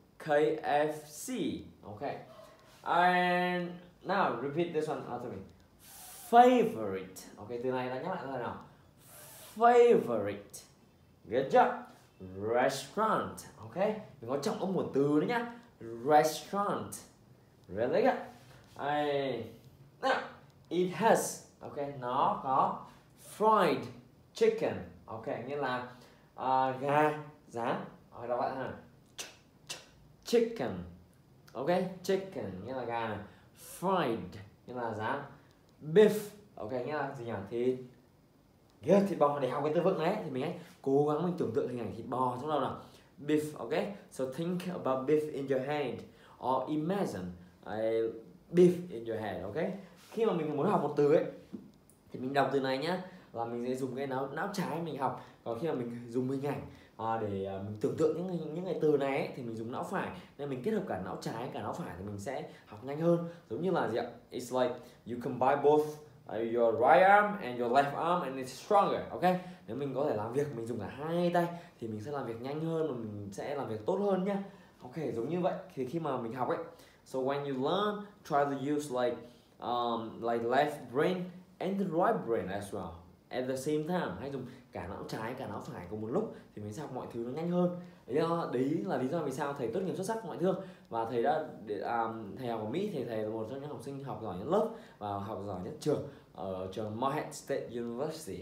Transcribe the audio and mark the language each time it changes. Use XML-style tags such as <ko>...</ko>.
<en>Okay, and now repeat this one after me. Favorite.</en> <vi>Okay, từ này là nhắc lại thôi nào. Favorite.</vi> <en>Good job.</en> <vi>Restaurant. Okay, mình có trọng âm một từ nữa nhá.</vi> <en>Restaurant. Really good. Now it has. Okay,</en> <vi>nó có</vi> <en>fried chicken.</en> <vi>Ok, nghĩa là gà rán. Ok, đọc lại nào. Chicken. Ok, chicken nghĩa là gà này. Fried nghĩa là rán. Beef. Ok, nghĩa là gì nhỉ? Thịt. Yeah, thịt bò. Để học cái từ vựng này thì mình hãy cố gắng mình tưởng tượng hình ảnh thịt bò trong đầu nào. Beef, ok.</vi> <en>So think about beef in your hand. Or imagine beef in your hand, ok.</en> <vi>Khi mà mình muốn học một từ ấy thì mình đọc từ này nhá, là mình sẽ dùng cái não trái mình học. Còn khi mà mình dùng hình ảnh để mình tưởng tượng những cái từ này ấy, thì mình dùng não phải. Nên mình kết hợp cả não trái cả não phải thì mình sẽ học nhanh hơn. Giống như là gì ạ?</vi> <en>It's like you combine both your right arm and your left arm and it's stronger.</en> <vi>Ok, nếu mình có thể làm việc mình dùng cả hai tay thì mình sẽ làm việc nhanh hơn và mình sẽ làm việc tốt hơn nhá. Ok, giống như vậy thì khi mà mình học ấy.</vi> <en>So when you learn, try to use like left brain and the right brain as well. At the same time,</en> <vi>hãy dùng cả não trái, cả não phải cùng một lúc thì mình sẽ học mọi thứ nó nhanh hơn. Đấy là lý do vì sao thầy tốt nghiệp xuất sắc mọi thứ. Và thầy đã thầy học ở Mỹ, thầy là một trong những học sinh học giỏi nhất lớp và học giỏi nhất trường ở trường Morehead State University.</vi>